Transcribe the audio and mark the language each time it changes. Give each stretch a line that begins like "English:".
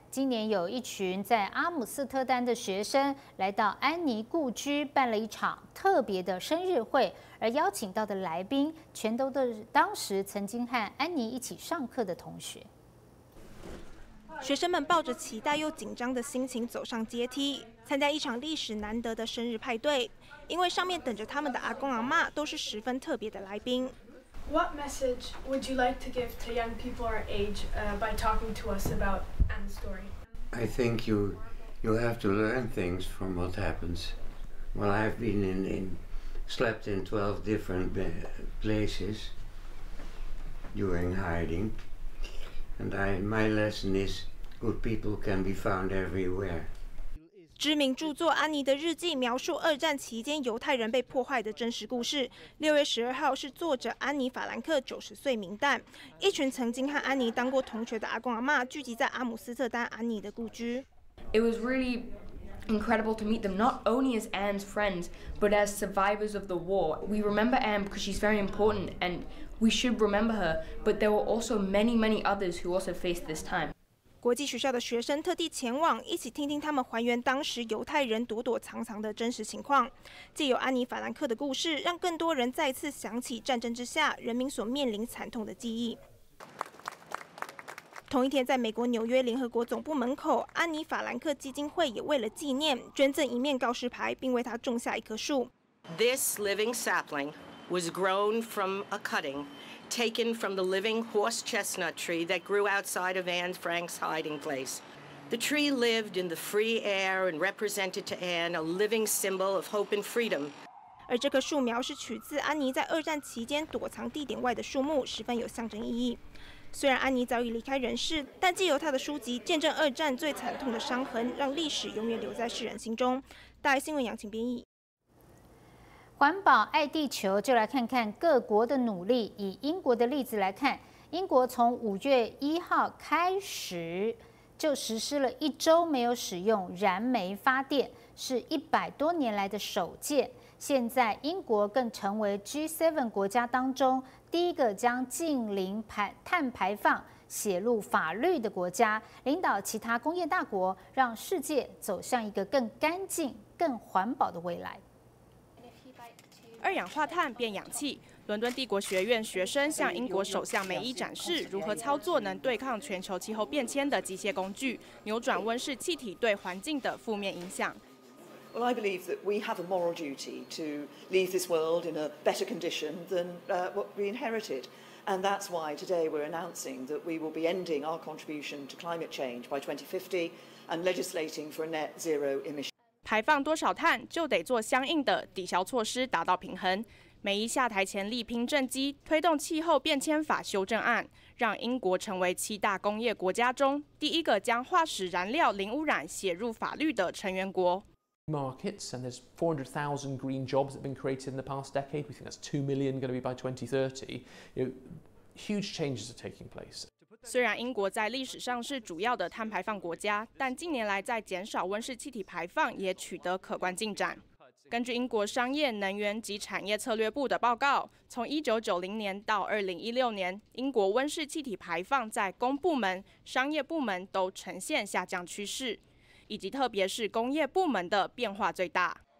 Chinese: 今年有一群在阿姆斯特丹的学生来到安妮故居办了一场特别的生日会，而邀请到的来宾全都是当时曾经和安妮一起上课的同学。学生们抱着期待又紧张的心情走上阶梯，参加一场历史难得的生日派对。因为上面等着他们的阿公阿嬷都是十分特别的来宾。
English: What message would you like to give to young people our age by talking to us about Anne's story? I think you'll have to learn things from what happens. Well, I've been slept in 12 different places during hiding, and my lesson is good people can be found everywhere.
Chinese: 知名著作《安妮的日记》描述二战期间犹太人被破坏的真实故事。 6月12号是作者安妮·法兰克90岁冥诞，一群曾经和安妮当过同学的阿公阿嬷聚集在阿姆斯特丹安妮的故居。
English: It was really incredible to meet them, not only as Anne's friends, but as survivors of the war. We remember Anne because she's very important, and we should remember her. But there were also many, many others who also faced this time.
Chinese: 国际学校的学生特地前往，一起听听他们还原当时犹太人躲躲藏藏的真实情况。借由安妮·法兰克的故事，让更多人再次想起战争之下人民所面临惨痛的记忆。同一天，在美国纽约联合国总部门口，安妮·法兰克基金会也为了纪念，捐赠一面告示牌，并为她种下一棵树。
English: This living sapling was grown from a cutting. Taken from the living horse chestnut tree that grew outside of Anne Frank's hiding place. The tree lived in the free air and represented to Anne a living symbol of hope and freedom.
Chinese: 而这棵树苗是取自安妮在二战期间躲藏地点外的树木，十分有象征意义。虽然安妮早已离开人世，但借由她的书籍见证二战最惨痛的伤痕，让历史永远留在世人心中。大爱新闻杨晴编译。环保爱地球，就来看看各国的努力。以英国的例子来看，英国从5月1号开始就实施了一周没有使用燃煤发电，是100多年来的首件。现在英国更成为 G7 国家当中第一个将近零碳排放写入法律的国家，领导其他工业大国，让世界走向一个更干净、更环保的未来。二氧化碳变氧气，伦敦帝国学院学生向英国首相梅伊展示如何操作能对抗全球气候变迁的机械工具，扭转温室气体对环境的负面影响。
English: Well, I believe that we have a moral duty to leave this world in a better condition than what we inherited, and that's why today we're announcing that we will be ending our contribution to climate change by 2050 and legislating for a net zero emission.
Chinese: 排放多少碳，就得做相应的抵消措施，达到平衡。梅伊下台前力拼政绩，推动气候变迁法修正案，让英国成为七大工业国家中第一个将化石燃料零污染写入法律的成员国。
English: Markets and there's 400,000 green jobs that have been created in the past decade. We think that's 2 million going to be by 2030. You know, huge changes are taking place.
Chinese: 虽然英国在历史上是主要的碳排放国家，但近年来在减少温室气体排放也取得可观进展。根据英国商业、能源及产业策略部的报告，从1990年到2016年，英国温室气体排放在公部门、商业部门都呈现下降趋势，以及特别是工业部门的变化最大。